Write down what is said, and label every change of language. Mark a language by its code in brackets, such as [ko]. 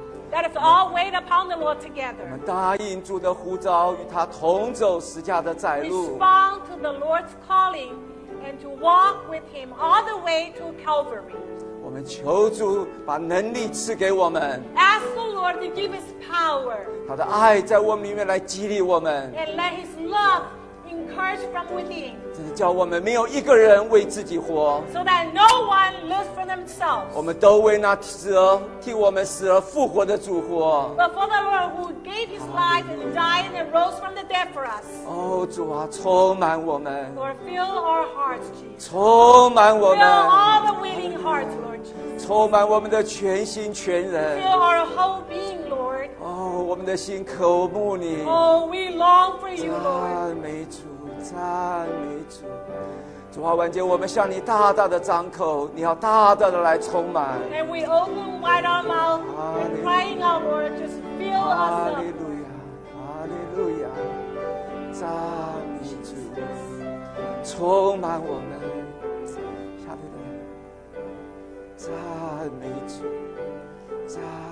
[en] Let us all wait upon the Lord together. [zh] 我们答应主的呼召，与他同走十架的窄路。 [en] Respond to the Lord's calling and to walk with Him all the way to Calvary. [zh] 我们求主把能力赐给我们。 [en] Ask the Lord to give His power. [zh] 他的爱在我们里面来激励我们。 [en] And let His love encourage from within. [zh] 这是叫我们没有一个人为自己活。 [en] So that no one lives for themselves. [zh] 我们都为那死而替我们死而复活的主活。 [en] But for the Lord who gave His life and died and rose from the dead for us. [zh] 哦，主啊，充满我们。 [en] Lord, fill our hearts, Jesus. [zh] 充满我们。 [en] Fill all the willing hearts, Lord Jesus. [zh] 充满我们的全心全人。 [en] Fill our whole being, Lord. [zh] 哦，我们的心渴慕你。 [en] Oh, we long for you, Lord. [zh] 赞美主，赞美主。主啊，万军，我们向你大大的张口，你要大大的来充满。 [en] And we open wide our mouth and crying out, Lord, just fill us up. [zh] 哈利路亚，哈利路亚，赞美主，充满我们。哈利路亚，赞美主，赞。